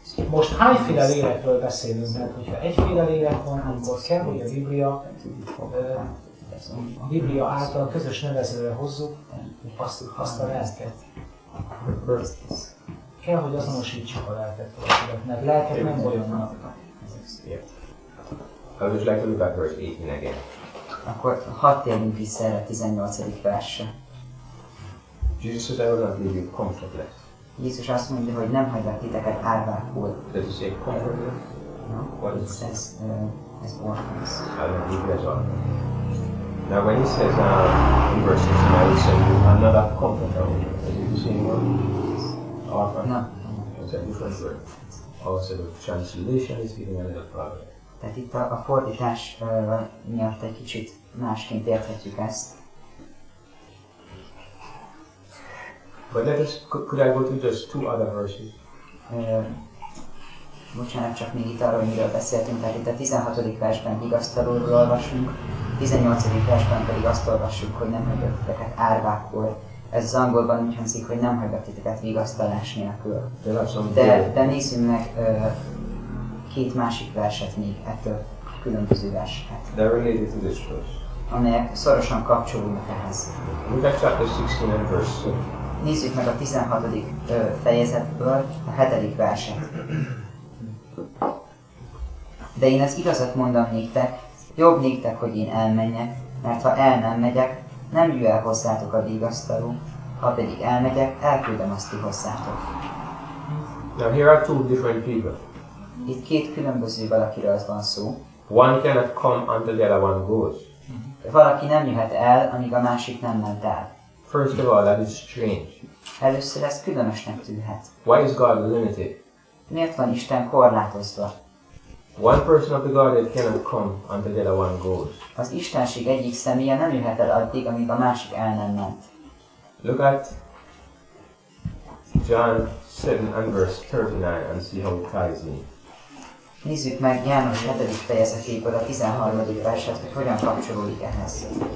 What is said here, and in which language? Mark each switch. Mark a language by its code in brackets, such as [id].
[hu] Most hányféle lélekről beszélünk, mert hogyha egyféle lélek van, amikor kell, hogy a Biblia által közös nevezőre hozzuk azt a lelket. Kell, hogy azonosítsuk a lelket, mert lelket nem olyannak. [en] I would like to look at verse 18 again. [hu] Akkor hadd térjünk vissza a 18. versre. [en] Jesus said, I will not leave you comfortless. [hu] Jézus azt mondja, hogy nem hagylak titeket árvákul. [en] Does it say comfortless? No, what it says as orphans. I will leave you as orphans. Now when he says in verse 18, I will say, you are not that comfortable. Is it the same word? Orphan? No. It's a different word. Also, the translation is giving a little problem. [hu] Tehát itt a fordítás miatt egy kicsit másként érthetjük ezt. But let us, could I go to just two other verses? Bocsánat, csak még itt arról, miről beszéltünk. Tehát itt a 16. versben vigasztalóról olvasunk, 18. versben pedig azt olvassuk, hogy nem hagyott titeket árvákból. Ez az angolban úgy hangzik, hogy nem hagyott titeket vigasztalás nélkül. De nézzünk meg két másik verset még, ettől különböző verset. [en] They're related to this verse. [hu] Amelyek szorosan kapcsolódnak ehhez. [en] Look at chapter 16 and verse 2. [hu] Nézzük meg a 16. fejezetből a 7. verset. De én az igazat mondom néktek, jobb néktek, hogy én elmenjek, mert ha el nem megyek, nem jöjj el hozzátok a vigasztaló, ha pedig elmegyek, elküldöm azt ki hozzátok. [en] Now here are two different people. [hu] Itt két különböző valakiről az van szó. [en] One cannot come until the other one goes. [hu] Valaki nem jöhet el, amíg a másik nem ment el. [en] First of all, that is strange. [hu] Először ez különösnek tűnhet. [en] Why is God limited? [hu] Miért van Isten korlátozva? [en] One person of the Godhead cannot come until the other one goes. [hu] Az Istenség egyik személye nem jöhet el addig, amíg a másik el nem ment. [en] Look at John 7 and verse 39 and see how it ties in. [hu] Nézzük meg János 7. fejezetéből a 13. verset, hogy hogyan kapcsolódik ehhez.